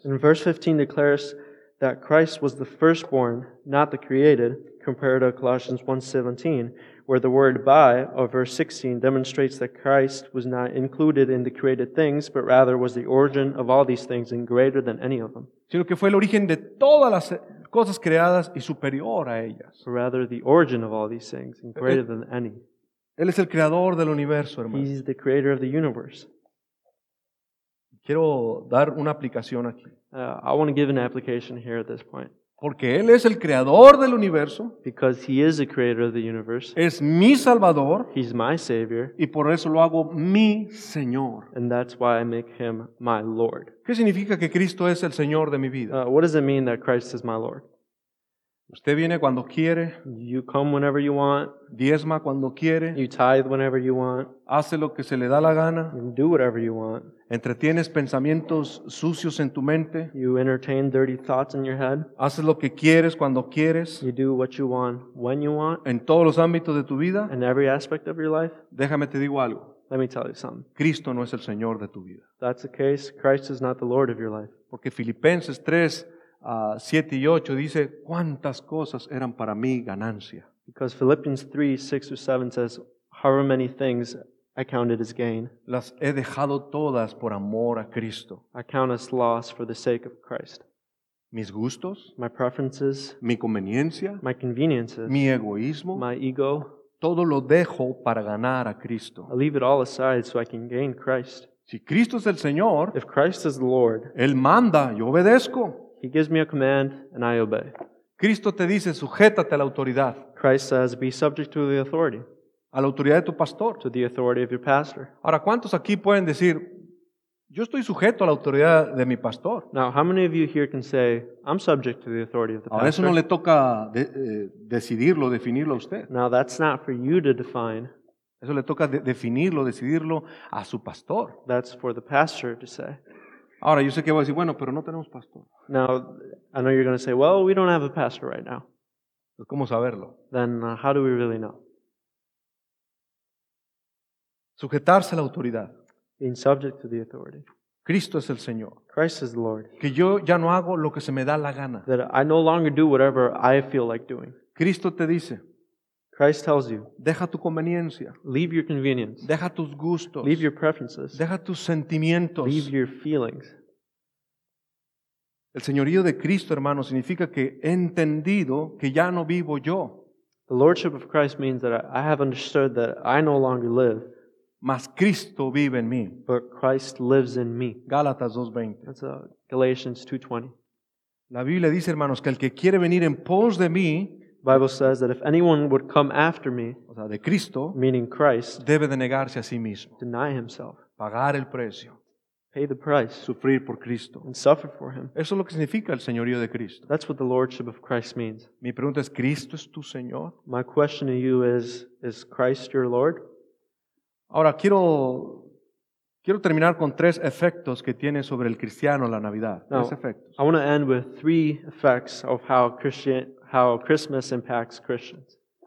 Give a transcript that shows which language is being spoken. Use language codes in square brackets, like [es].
[en] And verse 15 declares that Christ was the firstborn, not the created, compared to Colossians 1:17. Where the word by, or verse 16, demonstrates that Christ was not included in the created things, but rather was the origin of all these things and greater than any of them. [es] Sino que fue el origen de todas las cosas creadas y superior a ellas. [en] Or rather, the origin of all these things and greater than any. [es] Él es el creador del universo, hermano. [en] He is the creator of the universe. [es] Quiero dar una aplicación aquí. [en] I want to give an application here at this point. [es] Porque Él es el creador del universo. [en] Because He is the creator of the universe. [es] Es mi Salvador. [en] He's my Savior. [es] Y por eso lo hago mi Señor. [en] And that's why I make Him my Lord. [es] ¿Qué significa que Cristo es el Señor de mi vida? [en] What does it mean that Christ is my Lord? [es] Usted viene cuando quiere. [en] You come whenever you want. [es] Diezma cuando quiere. [en] You tithe whenever you want. [es] Hace lo que se le da la gana. [en] You do whatever you want. [es] Entretienes pensamientos sucios en tu mente. [en] You entertain dirty thoughts in your head. [es] Haces lo que quieres cuando quieres. [en] You do what you want when you want. [es] En todos los ámbitos de tu vida. [en] In every aspect of your life. [es] Déjame te digo algo. [en] Let me tell you something. [es] Cristo no es el Señor de tu vida. [en] That's the case. Christ is not the Lord of your life. [es] Porque Filipenses 3, 7 y 8 dice, ¿cuántas cosas eran para mí ganancia? [en] Because Philippians 3, 6 or 7 says, however many things I counted as gain. [es] Las he dejado todas por amor a Cristo. [en] I count as loss for the sake of Christ. [es] Mis gustos. [en] My preferences. [es] Mi conveniencia. [en] My conveniences. [es] Mi egoísmo. [en] My ego. [es] Todo lo dejo para ganar a Cristo. [en] I leave it all aside so I can gain Christ. [es] Si Cristo es el Señor. [en] If Christ is the Lord. [es] Él manda, yo obedezco. [en] He gives me a command and I obey. [es] Cristo te dice, sujétate a la autoridad. [en] Christ says, be subject to the authority. [es] A la autoridad de tu pastor. [en] To the authority of your pastor. [es] Ahora, ¿cuántos aquí pueden decir, yo estoy sujeto a la autoridad de mi pastor? [en] Now, how many of you here can say, I'm subject to the authority of the pastor? [es] Ahora, eso no le toca decidirlo, definirlo a usted. [en] Now, that's not for you to define. [es] Eso le toca definirlo, decidirlo a su pastor. [en] That's for the pastor to say. [es] Ahora, yo sé que voy a decir, bueno, pero no tenemos pastor. [en] Now, I know you're going to say, well, we don't have a pastor right now. [es] Pues, ¿cómo saberlo? [en] Then, how do we really know? [es] Sujetarse a la autoridad. [en] Being subject to the authority. [es] Cristo es el Señor. [en] Christ is the Lord. [es] Que yo ya no hago lo que se me da la gana. [en] That I no longer do whatever I feel like doing. [es] Cristo te dice. [en] Christ tells you. [es] Deja tu conveniencia. [en] Leave your convenience. [es] Deja tus gustos. [en] Leave your preferences. [es] Deja tus sentimientos. [en] Leave your feelings. [es] El señorío de Cristo, hermano, significa que he entendido que ya no vivo yo. [en] The lordship of Christ means that I have understood that I no longer live. [es] Mas Cristo vive en mí. [en] But Christ lives in me. [es] Gálatas 2:20. [en] That's Galatians 2:20. [es] La Biblia dice, hermanos, que el que quiere venir en pos de mí, [en] the Bible says that if anyone would come after me, [es] o sea, de Cristo, [en] meaning Christ, [es] debe de negarse a sí mismo. [en] Deny himself. [es] Pagar el precio. [en] Pay the price. [es] Sufrir por Cristo. [en] And suffer for him. [es] Eso es lo que significa el señorío de Cristo. [en] That's what the lordship of Christ means. [es] Mi pregunta es, ¿Cristo es tu Señor? [en] My question to you is Christ your Lord? [es] Ahora, quiero terminar con tres efectos que tiene sobre el cristiano la Navidad. [en] Now, [es] tres efectos. [en] I want to end with three effects of how Christmas impacts Christians.